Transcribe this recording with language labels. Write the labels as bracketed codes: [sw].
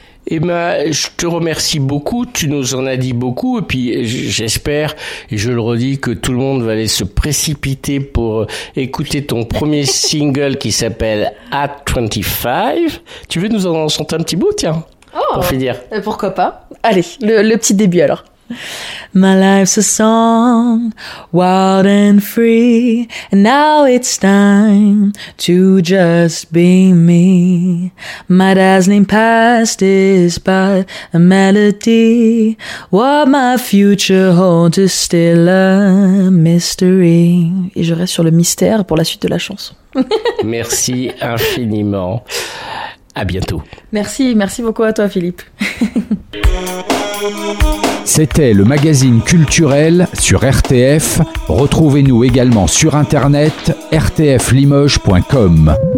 [fr] Emma, je te remercie beaucoup, tu nous en as dit beaucoup, et puis j'espère, et je le redis, que tout le monde va aller se précipiter pour écouter ton premier single qui s'appelle At 25. Tu veux nous en chanter un petit bout, tiens, pour finir? Pourquoi pas? Allez, le petit début alors. [en] My life's a song, wild and free, and now it's time to just be me. My dazzling past is but a melody, what my future holds is still a mystery. [fr] Et je reste sur le mystère pour la suite de la chanson. Merci infiniment. À bientôt. Merci beaucoup à toi, Philippe. C'était le magazine culturel sur RTF. Retrouvez-nous également sur internet rtflimoges.com.